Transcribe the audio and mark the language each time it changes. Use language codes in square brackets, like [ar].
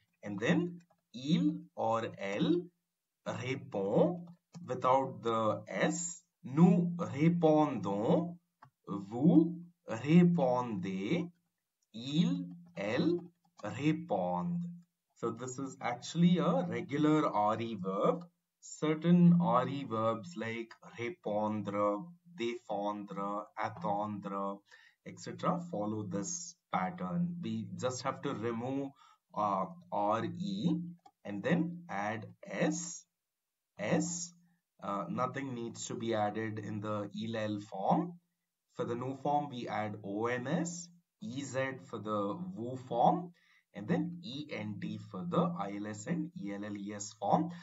[en] And then, il or elle répond without the S. [fr] Nous répondons, vous répondez, il, elle répond. [en] So, this is actually a regular RE verb. Certain RE verbs like répondre, défendre, attendre, etc. follow this pattern. We just have to remove RE and then add S, Nothing needs to be added in the ill form. For the new form, we add ons, ez for the wu form, and then ent for the ils and elles form.